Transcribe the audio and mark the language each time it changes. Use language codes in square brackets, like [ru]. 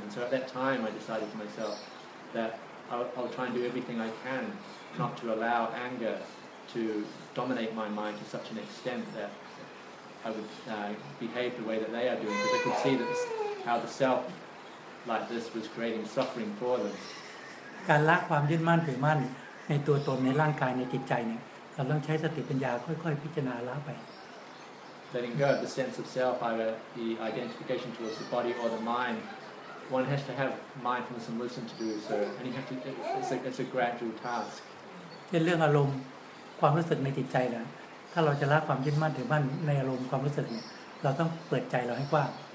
[en] And so at that time I decided to myself that I'll try and do everything I can not to allow anger to dominate my mind to such an extent that I would behave the way that they are doing, because I could see that how the self like this was creating suffering for them. [th] การละความยึดมั่นถือมั่นในตัวตนในร่างกายในจิตใจเนี่ยเราต้องใช้สติปัญญาค่อยๆพิจารณาละไป [en] Letting go of the sense of self, either the identification towards the body or the mind, one has to have mindfulness and wisdom to do so, and you have to. It's a gradual task. [th] เรื่องอารมณ์ความรู้สึกในจิตใจนะถ้าเราจะละความยึดมั่นถือมั่นในอารมณ์ความรู้สึกเนี่ยเราต้องเปิดใจเราให้กว้าง